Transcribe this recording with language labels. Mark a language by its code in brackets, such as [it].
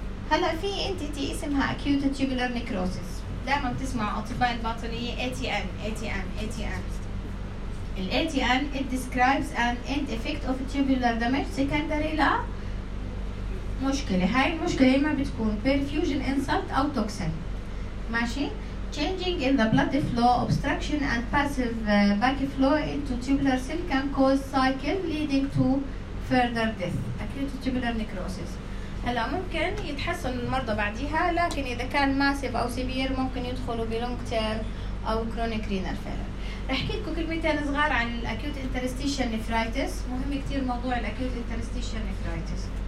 [ar] هلا في entity اسمها acute tubular necrosis دائما بتسمع أطباء الباطنية ATN ATN ATN. [en] The ATN it describes an end effect of tubular damage secondary to مشكلة. [ar] هاي المشكلة إما بتكون [en] perfusion insult [ar] أو toxin. ماشي. [en] Changing in the blood flow, obstruction and passive backflow into tubular cell can cause cycle leading to further death. Acute tubular necrosis. [ar] هلا ممكن يتحسن المرضى بعديها لكن إذا كان massive أو severe ممكن يدخلوا ب [en] long term [ar] أو chronic renal failure. احكي لكم كلمتين صغار عن الاكيوت انترستيشن نيفرايتس. مهم كتير موضوع الاكيوت انترستيشن نيفرايتس.